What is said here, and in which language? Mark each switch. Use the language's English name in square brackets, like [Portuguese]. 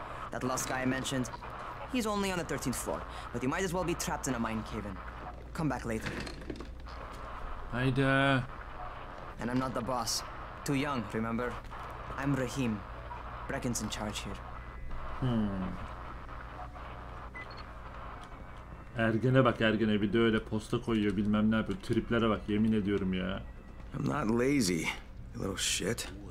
[English] That last guy I mentioned, he's only on the 13th floor, but you might as well be trapped in a mine cave. Come back later. [Turkish] Hayda. [English] And I'm not the boss. Too young, remember? I'm Rahim. Brecken's in charge here. [Turkish] Ergene bak Ergene, bir de öyle posta koyuyor bilmem ne yapıyor. Triplere bak, yemin ediyorum ya. [English] I'm not lazy, you little shit.